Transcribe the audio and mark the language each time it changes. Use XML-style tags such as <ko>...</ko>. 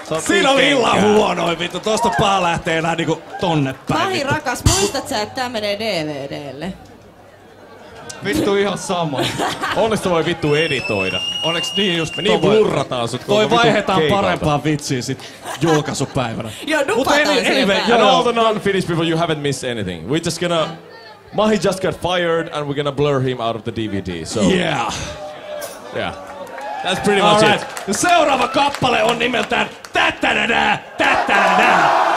<fi>Siinä oli illan huonoin vittu. Tuosta pää lähtee enää niinku tonne päin. Pahi rakas, muistat sä, että tää menee DVD:lle? Vittu ihan sama. Onneksi voi vittu editoida. Onneksi niin just niin burrataan sut. Toi vaihdetaan parempaan vitsiin sit julkaisupäivänä. Joo, nupataan siihen päin.</fi> <en>And all the non-finished people, you haven't missed anything. We're just gonna... Mahi just got fired and we're gonna blur him out of the DVD, so... Yeah. Yeah. That's pretty much it.</en> <fi>Seuraava kappale on nimeltään tätänänä, tätänänä.</fi>